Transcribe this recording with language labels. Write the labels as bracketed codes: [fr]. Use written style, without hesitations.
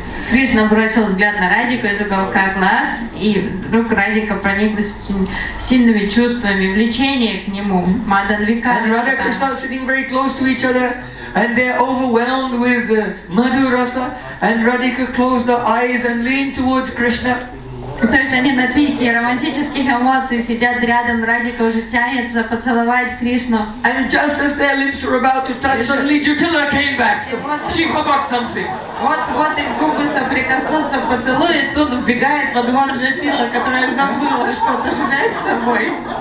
[ru] Кришна бросил взгляд на Радику из уголка глаз, и вдруг Радика прониклась очень сильными чувствами влечения к нему. [sa] Madana Vikar. [en] And Radha Krishna are sitting very close to each other, and they're overwhelmed with madurasa. And Radhika closed her eyes and leaned towards Krishna. [ru] То есть они на пике романтических эмоций сидят рядом, Радика уже тянется поцеловать Кришну. [en] And just as their lips were about to touch, suddenly Jutila came back. So she forgot something. [ru] Вот их губы соприкоснутся, поцелует, тут убегает во двор Джутила, которая забыла что-то взять с собой.